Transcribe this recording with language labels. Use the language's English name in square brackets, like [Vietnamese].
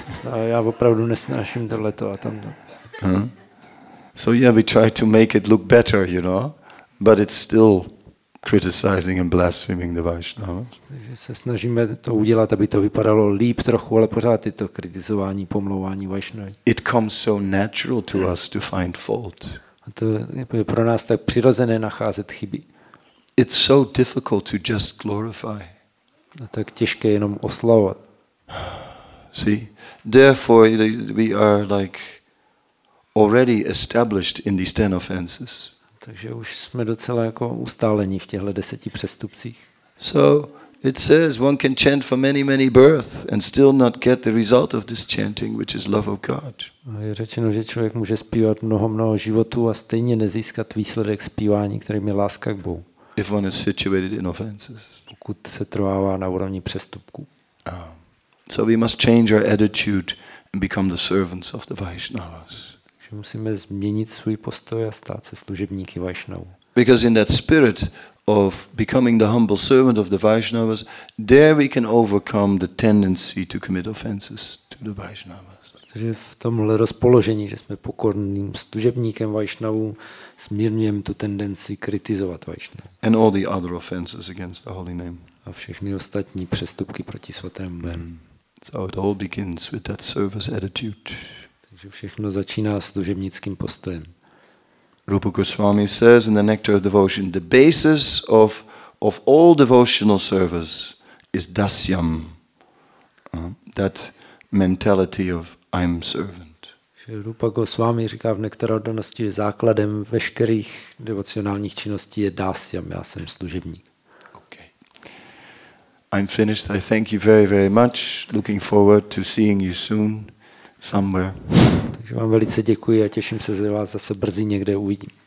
[Czech] A já opravdu nesnáším tohleto a tamto. [English] So yeah, we try to make it look better, you know, but it's still criticizing and blaspheming the Vaishnava. [Czech] Takže se snažíme to udělat, aby to vypadalo líp trochu, ale pořád je to kritizování, pomlouvání Vaishnavy. [English] It comes so natural to us to find fault. [Czech] A to je pro nás tak přirozené nacházet chyby. [English] It's so difficult to just glorify. [Czech] A tak těžké jenom oslavovat. [English] See, therefore we are like already established in these 10 offenses. [Czech] Takže už jsme docela jako ustálení v těchto 10 přestupcích. [English] So it says one can chant for many, many births and still not get the result of this chanting, which is love of God. [Czech] Je řečeno, že člověk může zpívat mnoho, mnoho životů a stejně nezískat výsledek zpívání, kterým je láska k Bohu. [English] If one is situated in offenses. [Czech] Pokud se trvává na úrovni přestupku. [English] So we must change our attitude and become the servants of the Vaishnavas. [Czech] Že musíme změnit svůj postoj a stát se služebníky Vaishnavů. [English] Because in that spirit of becoming the humble servant of the Vaishnavas, there we can overcome the tendency to commit offenses to the Vaishnavas. [Czech] Takže v tomhle rozpoložení, že jsme pokorným služebníkem Vaishnavů, smírňujeme tu tendenci kritizovat Vaishnavu. [English] And all the other offenses against the holy name. [Czech] A všechny ostatní přestupky proti svatému jménu. [English] So it all begins with that service attitude. [Czech] Takže všechno začíná služebnickým postojem. [English] Rupa Goswami says in the Nectar of Devotion, the basis of all devotional service is dasyam. That mentality of I'm servant. [Czech] Rupa Goswami říká v Nektarodanosti, že základem veškerých devocionálních činností je dásyam, já jsem služebník. [English] Okay. I'm finished. I thank you very, very much. Looking forward to seeing you soon somewhere. [Czech] Takže vám velice děkuji a těším se, že vás zase brzy někde uvidím.